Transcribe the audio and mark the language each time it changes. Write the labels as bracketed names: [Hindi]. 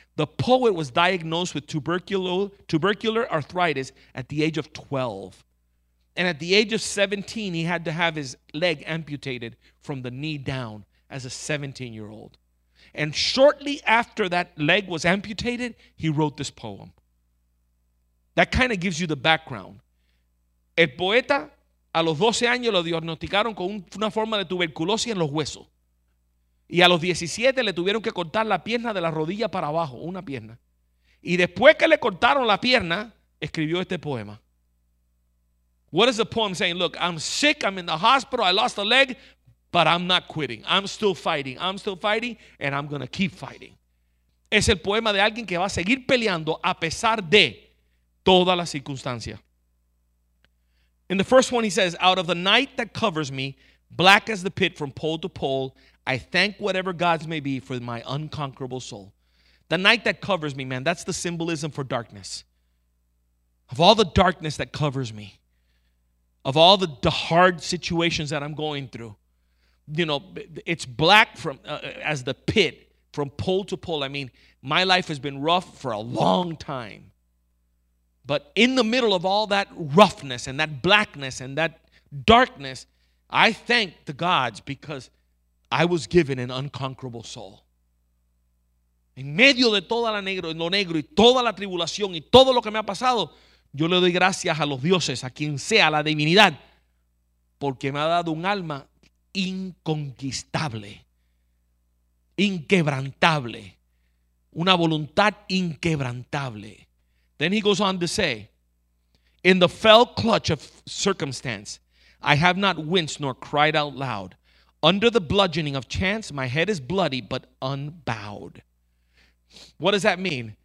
[English] The poet was diagnosed with tubercular arthritis at the age of 12. And at the age of 17, he had to have his leg amputated from the knee down as a 17-year-old. And shortly after that leg was amputated, he wrote this poem. That kind of gives you the background. [Spanish] El poeta, a los 12 años, lo diagnosticaron con una forma de tuberculosis en los huesos. Y a los 17 le tuvieron que cortar la pierna de la rodilla para abajo, una pierna. Y después que le cortaron la pierna, escribió este poema. [English] What is the poem saying? Look, I'm sick, I'm in the hospital, I lost a leg, but I'm not quitting. I'm still fighting, and I'm going to keep fighting. [Spanish] Es el poema de alguien que va a seguir peleando a pesar de toda la circunstancia. [English] In the first one he says, out of the night that covers me, black as the pit from pole to pole, I thank whatever gods may be for my unconquerable soul. The night that covers me, man, that's the symbolism for darkness. Of all the darkness that covers me, of all the hard situations that I'm going through, you know, it's black from as the pit from pole to pole. I mean, my life has been rough for a long time. But in the middle of all that roughness and that blackness and that darkness, I thank the gods because I was given an unconquerable soul. [Spanish] En medio de toda la negro, en lo negro y toda la tribulación y todo lo que me ha pasado, yo le doy gracias a los dioses, a quien sea, a la divinidad, porque me ha dado un alma inconquistable, inquebrantable, una voluntad inquebrantable. [English] Then he goes on to say, in the fell clutch of circumstance, I have not winced nor cried out loud. Under the bludgeoning of chance, my head is bloody but unbowed. What does that mean?